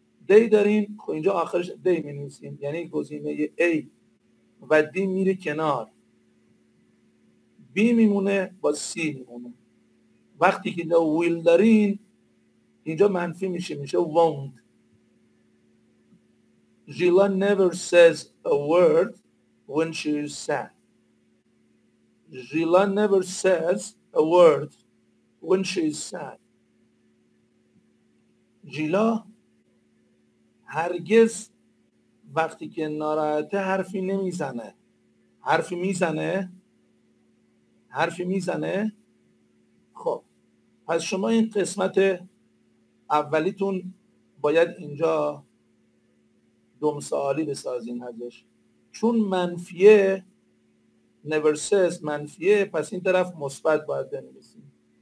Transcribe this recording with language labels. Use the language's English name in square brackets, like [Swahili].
[Persian] They دارین، خب اینجا آخرش they می‌نویسیم، یعنی گزینه A و D میره کنار، B میمونه با C میمونه. وقتی که اینجا will دارین، اینجا منفی میشه، میشه won't. [English] Gila never says a word when she is sad. Gila never says a word when she is sad. [Persian] Gila هرگز وقتی که ناراحته حرفی نمیزنه. حرفی میزنه؟ حرفی میزنه؟ خب پس شما این قسمت اولیتون باید اینجا دوم سوالی بسازین ازش، چون منفیه [English] never says [Persian] منفیه، پس این طرف مثبت باید بنویسیم.